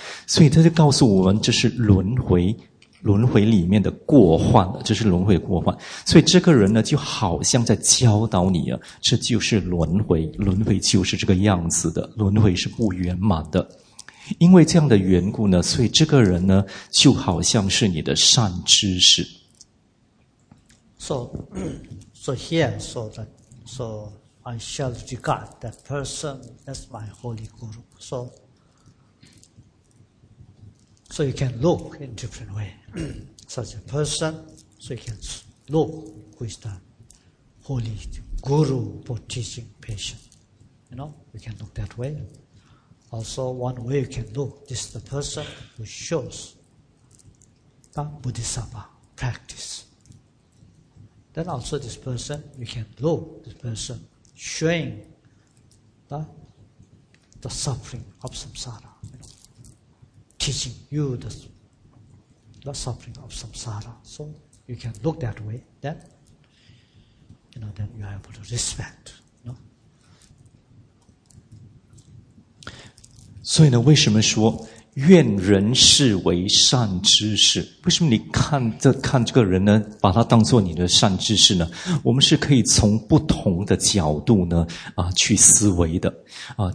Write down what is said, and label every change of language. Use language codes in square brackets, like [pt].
[zh] 所以他就告诉我们，这是轮回。轮回里面的过患，这是轮回过患。所以这个人呢就好像在教导你啊，这就是轮回，轮回就是这个样子的，轮回是不圆满的。因为这样的缘故呢，所以这个人呢就好像是你的善知识。 [en] So, I shall regard that person as my holy guru. So you can look in different way. Such a person, so you can look who is the holy guru for teaching patient. You know, you can look that way. Also, one way you can look, this is the person who shows the Bodhisattva practice. Then also this person, you can look, this person showing the suffering of samsara. You know, teaching you the suffering of samsara. So you can look that way, then you know, then you are able to respect, you know? [zh] 所以呢，为什么说愿人视为善知识？为什么你看这个人呢，把他当作你的善知识呢？我们是可以从不同的角度呢去思维的啊。